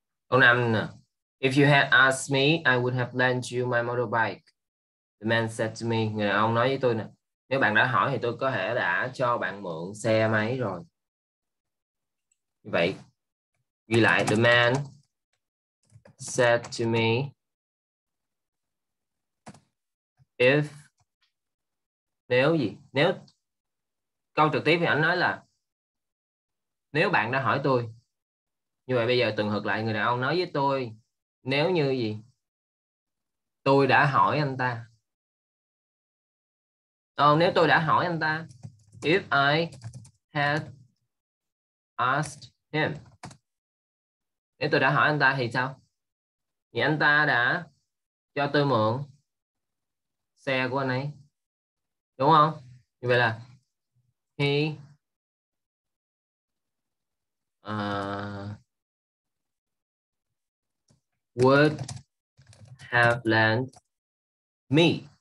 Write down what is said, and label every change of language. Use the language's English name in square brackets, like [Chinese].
[Vietnamese] Câu 5. [English] If you had asked me, I would have lent you my motorbike. The man said to me. [Vietnamese] Người đàn ông nói với tôi nè. Nếu bạn đã hỏi thì tôi có thể đã cho bạn mượn xe máy rồi. Như vậy, ghi lại. [English] The man said to me, if, [Vietnamese] nếu gì? Nếu, câu trực tiếp thì anh nói là, nếu bạn đã hỏi tôi. Như vậy bây giờ tường thuật lại, người đàn ông nói với tôi, nếu như gì? Tôi đã hỏi anh ta. Nếu tôi đã hỏi anh ta. [English] If I had asked him. [Vietnamese] Nếu tôi đã hỏi anh ta thì sao? Thì anh ta đã cho tôi mượn xe của anh ấy. Đúng không? Như vậy là [English] he would have lent me.